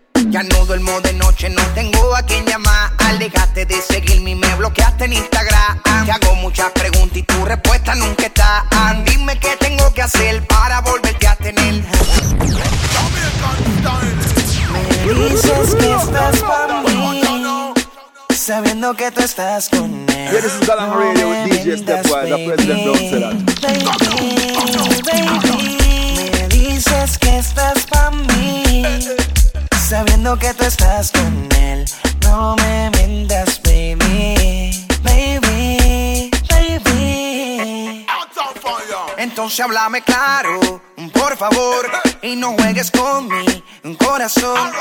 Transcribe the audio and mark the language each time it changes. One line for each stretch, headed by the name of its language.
Spanish: Ya no duermo de noche, no tengo a quien llamar. Alejaste de seguirme y me bloqueaste en Instagram. Te hago muchas preguntas y tu respuesta nunca está. Dime qué tengo que hacer para volverte a tener. Me dices que estás pa' mí, sabiendo que tú estás con él.
English: Here, this is Galang Radio with DJ Stepwise, the president of Serato.
Spanish: Me dices que estás pa' mí, sabiendo que tú estás con él. No me mientas, baby, baby, baby. Entonces háblame claro, por favor, y no juegues con mi corazón.